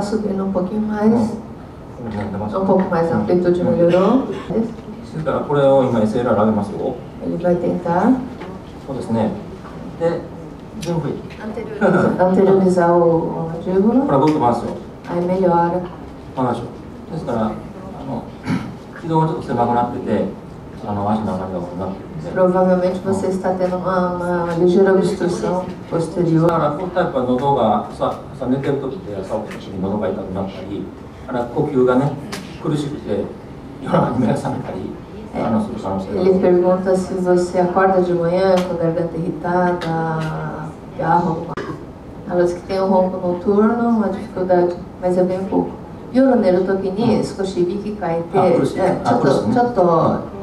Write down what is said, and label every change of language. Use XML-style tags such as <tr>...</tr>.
<pt>subindo um pouquinho mais. Um pouco mais a amplitude melhorou. Então,</pt> <ja>これを今 SLR 上げますよ。</ja> <pt>Ele vai tentar.</pt> <ja>そうですね。で、準備。</ja> <pt>Anteriorizar o mandíbula.</pt> <ja>これ動きますよ。</ja> <pt>Aí melhora. Vamos lá.</pt> <ja>ですから、軌道がちょっと狭くなってて、足の上がりが悪くなってて。</ja> <pt>Provavelmente você está tendo uma ligeira obstrução posterior.</pt> <ja>だから、このタイプは喉が朝寝てるときで朝起きたときに喉が痛くなったり、呼吸がね、苦しくて夜中に目が覚めたり、する可能性があります。</ja> <pt>Ele pergunta se você acorda de manhã com a garganta irritada, que há ronco. Ela diz que tem um ronco noturno, uma dificuldade, mas é bem pouco.</pt> <ja>夜寝るときに少し息かいて、ちょっと。</ja>